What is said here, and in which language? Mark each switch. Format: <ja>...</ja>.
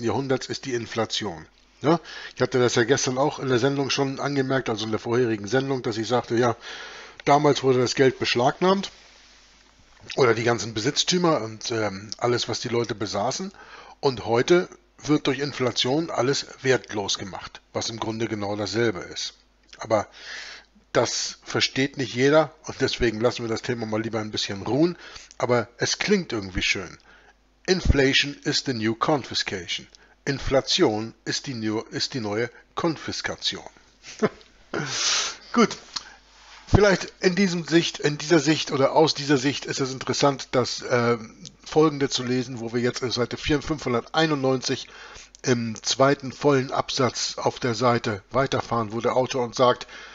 <de>Jahrhunderts ist die Inflation. Ja, ich hatte das ja gestern auch in der Sendung schon angemerkt, also in der vorherigen Sendung, dass ich sagte, ja, damals wurde das Geld beschlagnahmt oder die ganzen Besitztümer und alles, was die Leute besaßen. Und heute wird durch Inflation alles wertlos gemacht, was im Grunde genau dasselbe ist. Aber das versteht nicht jeder und deswegen lassen wir das Thema mal lieber ein bisschen ruhen. Aber es klingt irgendwie schön.</de> <en>Inflation is the new confiscation.</en> <de>Inflation ist die neue Konfiskation. Gut, vielleicht in dieser Sicht oder aus dieser Sicht ist es interessant, das Folgende zu lesen, wo wir jetzt Seite 591 im zweiten vollen Absatz auf der Seite weiterfahren, wo der Autor uns sagt,</de>